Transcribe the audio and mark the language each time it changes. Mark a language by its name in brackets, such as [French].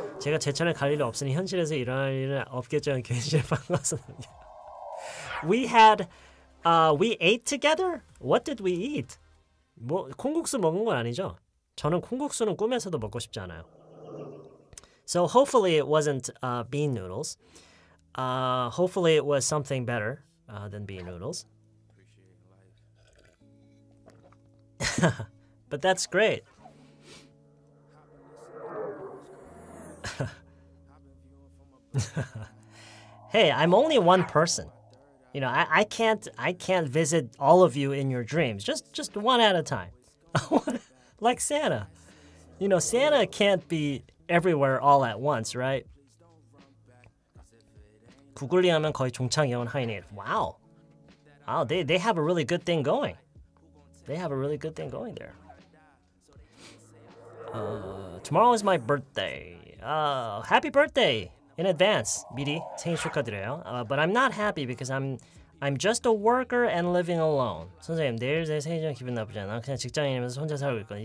[Korean] 제가 제천에 갈 일이 없으니 현실에서 일어날 일은 없겠지만 괜시에 반가웠습니다. [English] We ate together? What did we eat? [Korean] 뭐 콩국수 먹은 건 아니죠? 저는 콩국수는 꿈에서도 먹고 싶지 않아요. [English] So hopefully it wasn't bean noodles. Hopefully it was something better than bean noodles. But that's great. Hey, I'm only one person. You know, I can't visit all of you in your dreams. Just one at a time. Like Santa. You know, Santa can't be everywhere all at once, right? [Korean] 구글링하면 거의 종착역은 하이네이트. [English] Wow. Wow, they have a really good thing going. They have a really good thing going there. Tomorrow is my birthday. Happy birthday in advance. [Korean] 미리 생일 축하드려요. [English] But I'm not happy because I'm just a worker and living alone. [Korean] 선생님, 내일 제 생일이면 기분 나쁘지 않아. 그냥 직장인이면서 혼자 살고 있거든요.